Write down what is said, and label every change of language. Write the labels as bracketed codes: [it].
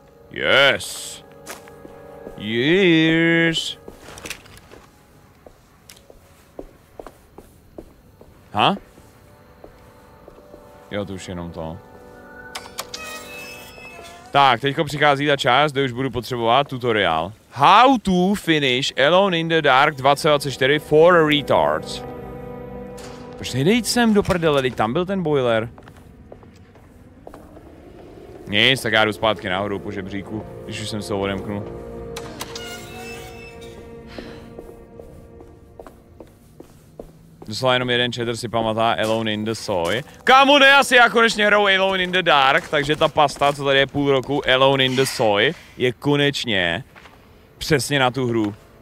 [en] Yes! Yes! Ha? [cs] Jo, to už jenom to. Tak, teďko přichází ta část, kde už budu potřebovat tutoriál. [en] How to finish Alone in the Dark 2024 for retards. [cs] Proč nejde jít sem do prdele, teď tam byl ten boiler. Nic, tak já jdu zpátky nahoru po žebříku, když už jsem se ho odemknul. Doslova jenom jeden četr si pamatá Alone in the Soy. Kámo, ne, asi já konečně hraju Alone in the Dark, takže ta pasta, co tady je půl roku, Alone in the Soy, je konečně přesně na tu hru.